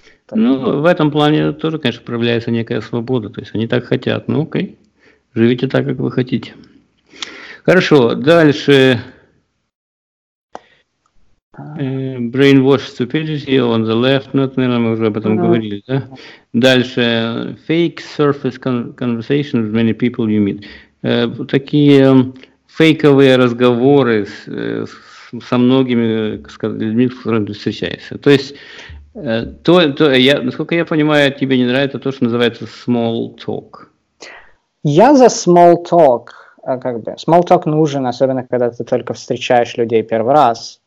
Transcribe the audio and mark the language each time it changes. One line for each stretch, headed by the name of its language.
Russian: Ну, в этом плане тоже, конечно, проявляется некая свобода. То есть они так хотят. Ну, окей. Живите так, как вы хотите. Хорошо. Дальше.
English: Brainwash stupidity on the left.
Russian: Ну, это, наверное, мы уже об этом говорили, да? Дальше.
English: Fake surface conversation with many people you meet.
Russian: Такие фейковые разговоры со многими людьми, с которыми ты встречаешься. То есть, насколько я понимаю, тебе не нравится то, что называется small talk. Я за small talk. Как бы, small talk нужен, особенно когда ты только встречаешь людей первый раз.